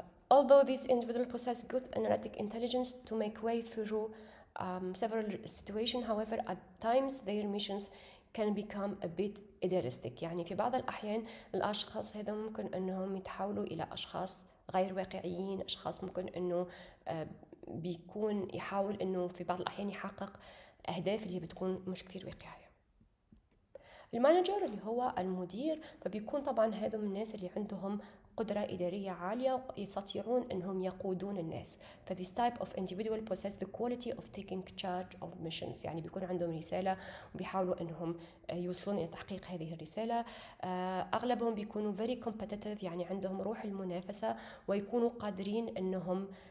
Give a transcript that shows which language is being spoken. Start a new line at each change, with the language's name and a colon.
English: Although these individuals possess good analytic intelligence to make way through several situations, however, at times their missions can become a bit idealistic.
Arabic: يعني في بعض الأحيان الأشخاص هذا ممكن أنهم يتحولوا إلى أشخاص غير واقعيين، أشخاص ممكن أنه بيكون يحاول أنه في بعض الأحيان يحقق أهداف اللي بتكون مش كثير واقعية. المانجر اللي هو المدير، فبيكون طبعا هذا من الناس اللي عندهم قدرة إدارية عالية ويستطيعون أنهم يقودون الناس.
English: فthis type of individual possess the quality of taking charge of missions.
Arabic: يعني بيكون عندهم رسالة وبيحاولوا أنهم يوصلون إلى تحقيق هذه الرسالة. أغلبهم بيكونوا
English: very competitive،
Arabic: يعني عندهم روح المنافسة ويكونوا قادرين أنهم